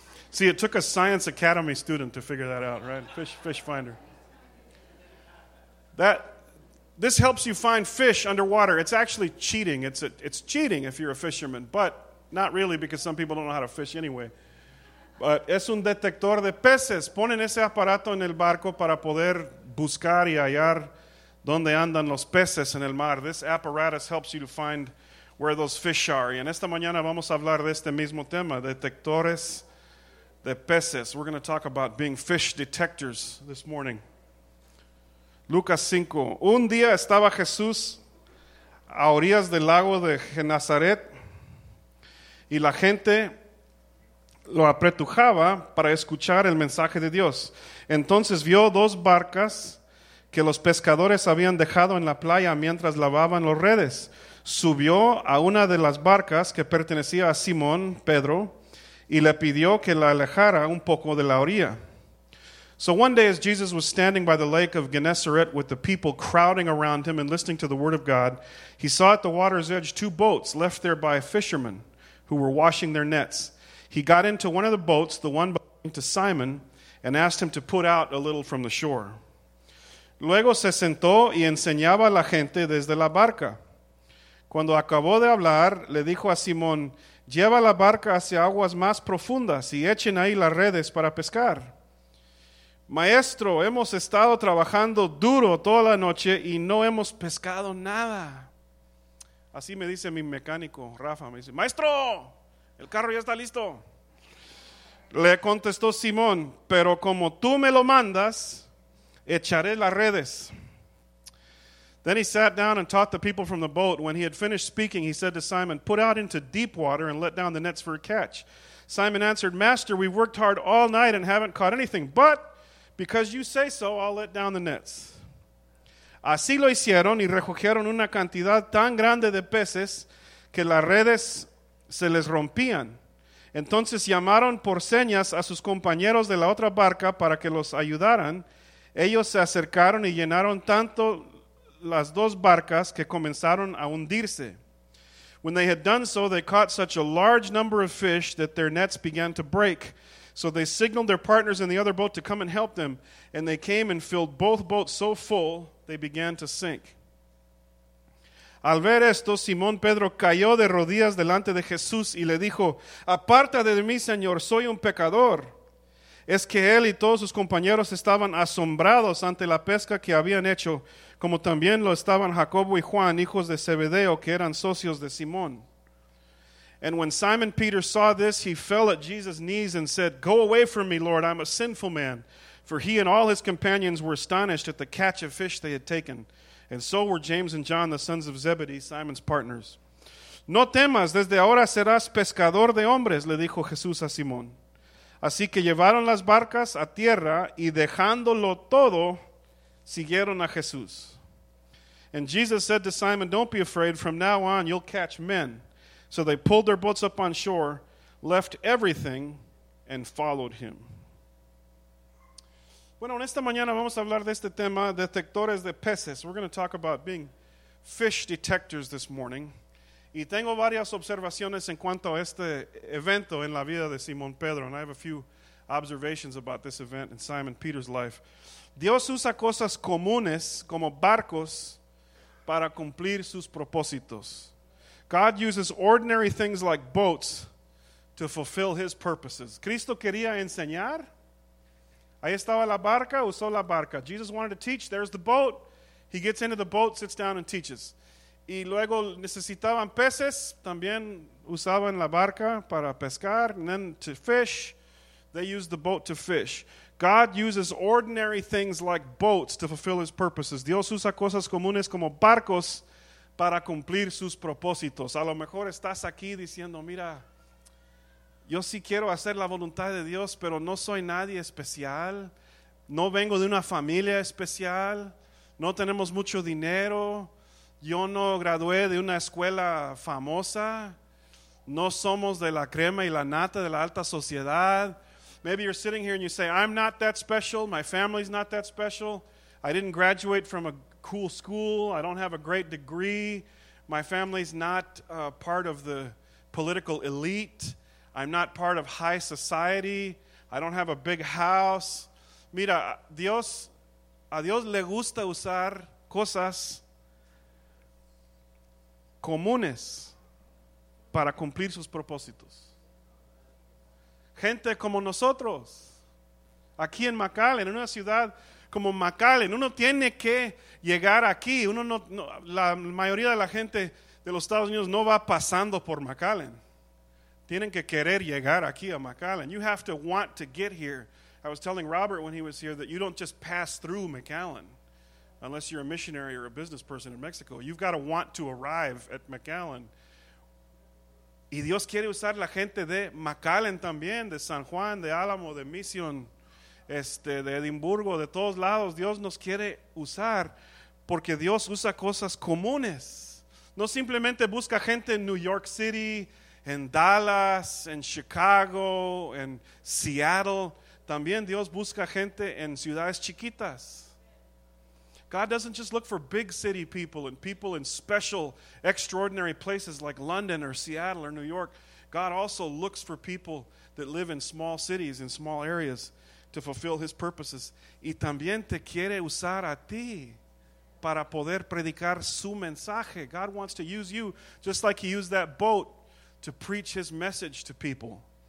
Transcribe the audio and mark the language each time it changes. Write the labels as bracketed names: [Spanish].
[English] See, it took a Science Academy student to figure that out, right? Fish finder. This helps you find fish underwater. It's actually cheating. It's cheating if you're a fisherman, but not really, because some people don't know how to fish anyway. [Spanish] But es un detector de peces. Ponen ese aparato en el barco para poder buscar y hallar donde andan los peces en el mar. [English] This apparatus helps you to find where those fish are. [Spanish] Y en esta mañana vamos a hablar de este mismo tema, detectores de peces. [English] We're going to talk about being fish detectors this morning. [Spanish] Lucas 5. Un día estaba Jesús a orillas del lago de Genezaret. Y la gente lo apretujaba para escuchar el mensaje de Dios. Entonces vio dos barcas que los pescadores habían dejado en la playa mientras lavaban las redes. Subió a una de las barcas que pertenecía a Simón, Pedro, y le pidió que la alejara un poco de la orilla. [English] So one day as Jesus was standing by the lake of Gennesaret with the people crowding around him and listening to the word of God, he saw at the water's edge two boats left there by fishermen who were washing their nets. He got into one of the boats, the one belonging to Simon, and asked him to put out a little from the shore. [Spanish] Luego se sentó y enseñaba a la gente desde la barca. Cuando acabó de hablar, le dijo a Simón, lleva la barca hacia aguas más profundas y echen ahí las redes para pescar. Maestro, hemos estado trabajando duro toda la noche y no hemos pescado nada. Así me dice mi mecánico, Rafa. Me dice, maestro, el carro ya está listo. Le contestó Simón, pero como tú me lo mandas, echaré las redes. [English] Then he sat down and taught the people from the boat. When he had finished speaking, he said to Simon, put out into deep water and let down the nets for a catch. Simon answered, master, we've worked hard all night and haven't caught anything, but because you say so, I'll let down the nets. [Spanish] Así lo hicieron y recogieron una cantidad tan grande de peces que las redes se les rompían. Entonces llamaron por señas a sus compañeros de la otra barca para que los ayudaran. Ellos se acercaron y llenaron tanto las dos barcas que comenzaron a hundirse. [English] When they had done so, they caught such a large number of fish that their nets began to break. So they signaled their partners in the other boat to come and help them, and they came and filled both boats so full they began to sink. [Spanish] Al ver esto, Simón Pedro cayó de rodillas delante de Jesús y le dijo, apártate de mí, Señor, soy un pecador. Es que él y todos sus compañeros estaban asombrados ante la pesca que habían hecho, como también lo estaban Jacobo y Juan, hijos de Zebedeo, que eran socios de Simón. [English] And when Simon Peter saw this, he fell at Jesus' knees and said, go away from me, Lord, I'm a sinful man. For he and all his companions were astonished at the catch of fish they had taken. And so were James and John, the sons of Zebedee, Simon's partners. [Spanish] No temas, desde ahora serás pescador de hombres, le dijo Jesús a Simón. Así que llevaron las barcas a tierra y dejándolo todo, siguieron a Jesús. [English] And Jesus said to Simon, don't be afraid, from now on you'll catch men. So they pulled their boats up on shore, left everything, and followed him. [Spanish] Bueno, en esta mañana vamos a hablar de este tema, detectores de peces. [English] We're going to talk about being fish detectors this morning. [Spanish] Y tengo varias observaciones en cuanto a este evento en la vida de Simón Pedro. [English] And I have a few observations about this event in Simon Peter's life. [Spanish] Dios usa cosas comunes como barcos para cumplir sus propósitos. [English] God uses ordinary things like boats to fulfill his purposes. [Spanish] Cristo quería enseñar. Ahí estaba la barca, usó la barca. [English] Jesus wanted to teach, there's the boat. He gets into the boat, sits down and teaches. [Spanish] Y luego necesitaban peces, también usaban la barca para pescar. [English] And then to fish, they used the boat to fish. God uses ordinary things like boats to fulfill his purposes. [Spanish] Dios usa cosas comunes como barcos para cumplir sus propósitos. A lo mejor estás aquí diciendo, mira, yo sí quiero hacer la voluntad de Dios, pero no soy nadie especial. No vengo de una familia especial. No tenemos mucho dinero. Yo no gradué de una escuela famosa. No somos de la crema y la nata de la alta sociedad. [English] Maybe you're sitting here and you say, I'm not that special. My family's not that special. I didn't graduate from a cool school. I don't have a great degree. My family's not part of the political elite. I'm not part of high society. I don't have a big house. [Spanish] Mira, Dios, a Dios le gusta usar cosas comunes para cumplir sus propósitos. Gente como nosotros, aquí en McAllen, en una ciudad como McAllen, uno tiene que llegar aquí. Uno no, no, la mayoría de la gente de los Estados Unidos no va pasando por McAllen. Tienen que querer llegar aquí a McAllen. [English] You have to want to get here. I was telling Robert when he was here that you don't just pass through McAllen unless you're a missionary or a business person in Mexico. You've got to want to arrive at McAllen. [Spanish] Y Dios quiere usar la gente de McAllen también, de San Juan, de Alamo, de Mission, de Edimburgo, de todos lados. Dios nos quiere usar porque Dios usa cosas comunes. No simplemente busca gente en New York City, en Dallas, en Chicago, en Seattle. También Dios busca gente en ciudades chiquitas. [English] God doesn't just look for big city people and people in special, extraordinary places like London or Seattle or New York. God also looks for people that live in small cities, in small areas, to fulfill his purposes. [Spanish] Y también te quiere usar a ti para poder predicar su mensaje. [English] God wants to use you just like he used that boat to preach his message to people.